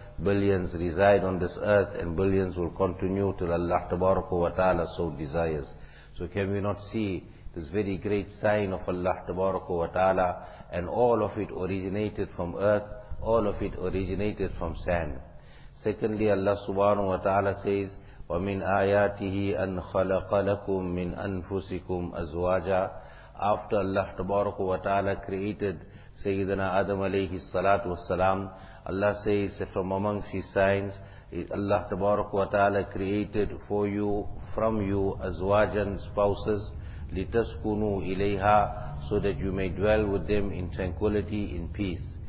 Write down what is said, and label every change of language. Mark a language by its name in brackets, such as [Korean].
[English] Billions reside on this earth, and billions will continue till Allah tabaraka wa ta'ala so desires. So can we not see this very great sign of Allah tabaraka wa ta'ala? And all of it originated from earth. All of it originated from sand. Secondly, Allah subhanahu wa ta'ala says, [Arabic] وَمِنْ آيَاتِهِ أَنْ خَلَقَ لَكُمْ مِنْ أَنْفُسِكُمْ أَزْوَاجًا. [English] After Allah tabaraka wa ta'ala created Sayyidina Adam alayhi salatu wassalam, Allah says that from amongst His signs, Allah tabaraka wa ta'ala created for you, from you, azwajan, spouses, [Arabic] litaskunu ilayha, [English] so that you may dwell with them in tranquility, in peace.